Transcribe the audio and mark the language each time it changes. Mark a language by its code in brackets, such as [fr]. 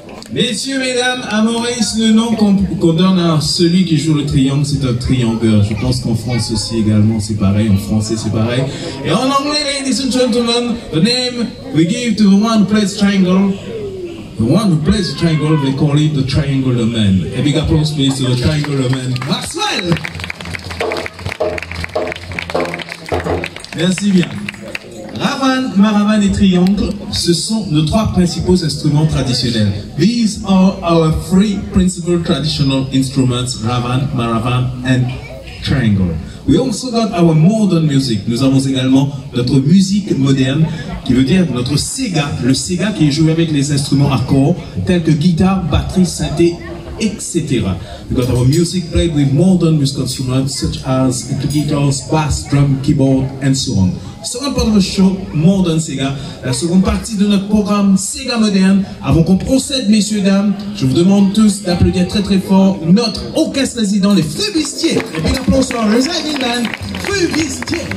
[fr] Messieurs, mesdames, à Maurice, le nom qu'on donne à celui qui joue le triangle, c'est un triangleur. Je pense qu'en France aussi également, c'est pareil. En français, c'est pareil. Et en anglais, [en] ladies and gentlemen, the name we give to the one who plays triangle, the one who plays triangle, they call it the triangle man. A big applause, please, to the triangle man, Maxwell! [fr] Merci bien. Ravan, maravan et triangle, ce sont nos trois principaux instruments traditionnels. [en] These are our three principal traditional instruments, ravan, maravan and triangle. We also got our modern music. [fr] Nous avons également notre musique moderne, qui veut dire notre sega, le sega qui est joué avec les instruments à cordes, tels que guitare, batterie, synthé, etc. [en] We got our music played with modern musical instruments such as guitars, bass, drum, keyboard, and so on. Second part of the show, modern Sega. [fr] La seconde partie de notre programme Sega moderne. Avant qu'on procède, messieurs, dames, je vous demande tous d'applaudir très très fort notre orchestre résident, les Flubistiers. Et bien applaudissons pour le Resident Man, Flubistiers.